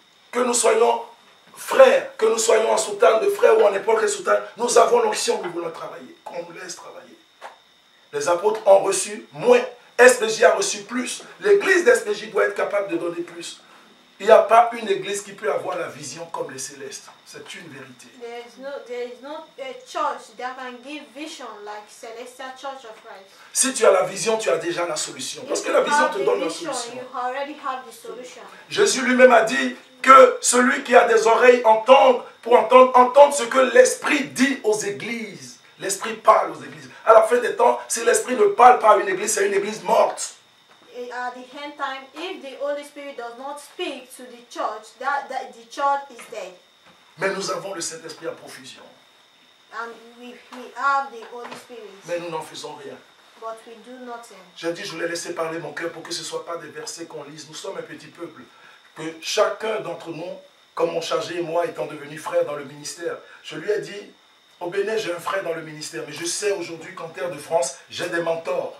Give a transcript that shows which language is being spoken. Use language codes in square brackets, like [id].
[fr] Que nous soyons frères, que nous soyons en soutane de frères ou en époque de soutane, nous avons l'onction de vouloir travailler, qu'on nous laisse travailler. Les apôtres ont reçu moins. SPJ a reçu plus. L'église d'SPJ doit être capable de donner plus. Il n'y a pas une église qui peut avoir la vision comme les célestes. C'est une vérité. [en] There is no church that can give vision like celestial church of Christ. [fr] Si tu as la vision, tu as déjà la solution. Parce que la vision te donne la solution. [en] You already have the solution. [fr] Jésus lui-même a dit que celui qui a des oreilles entende pour entendre ce que l'Esprit dit aux églises. L'Esprit parle aux églises. À la fin des temps, si l'Esprit ne parle pas à une église, c'est une église morte. [en] At the end time, if the Holy Spirit does not speak to the church, that the church is dead. [fr] Mais nous avons le Saint-Esprit à profusion. [en] And we have the Holy Spirit. [fr] Mais nous n'en faisons rien. [en] But we do nothing. [fr] J'ai dit, je voulais laisser parler mon cœur pour que ce ne soit pas des versets qu'on lise. Nous sommes un petit peuple. Que chacun d'entre nous, comme mon chargé et moi étant devenus frères dans le ministère, je lui ai dit, au Bénin, j'ai un frère dans le ministère, mais je sais aujourd'hui qu'en terre de France, j'ai des mentors.